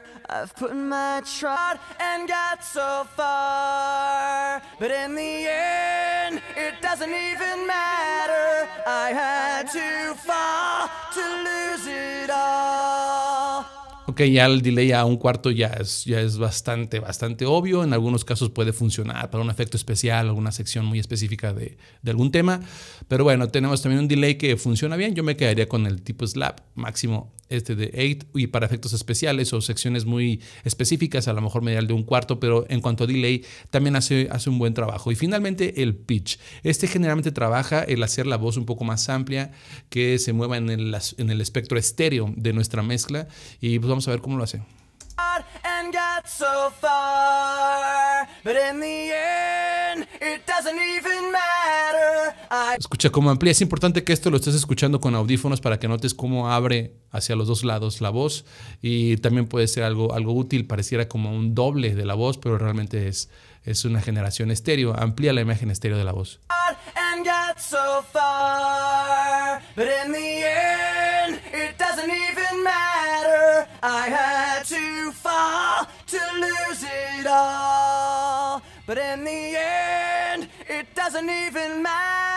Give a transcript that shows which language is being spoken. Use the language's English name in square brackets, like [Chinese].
[English] I've put my trot and got so far, but in the end, it doesn't even matter. I had to fall to lose it all. [Spanish] Ok, ya el delay a un cuarto ya es bastante, bastante obvio. En algunos casos puede funcionar para un efecto especial, alguna sección muy específica de algún tema. Pero bueno, tenemos también un delay que funciona bien. Yo me quedaría con el tipo slap máximo, este de 8. Y para efectos especiales o secciones muy específicas, a lo mejor medial de un cuarto. Pero en cuanto a delay, también hace un buen trabajo. Y finalmente, el pitch. Este generalmente trabaja el hacer la voz un poco más amplia, que se mueva en el espectro estéreo de nuestra mezcla. Y pues vamos a ver cómo lo hace. [English] And got so far, but in the end, it doesn't even matter. [Spanish] Escucha cómo amplía. Es importante que esto lo estés escuchando con audífonos para que notes cómo abre hacia los dos lados la voz. Y también puede ser algo útil. Pareciera como un doble de la voz, pero realmente es una generación estéreo. Amplía la imagen estéreo de la voz. [English] And got so far, but in the end, it doesn't even matter. I had to fall to lose it all, but in the end, it doesn't even matter.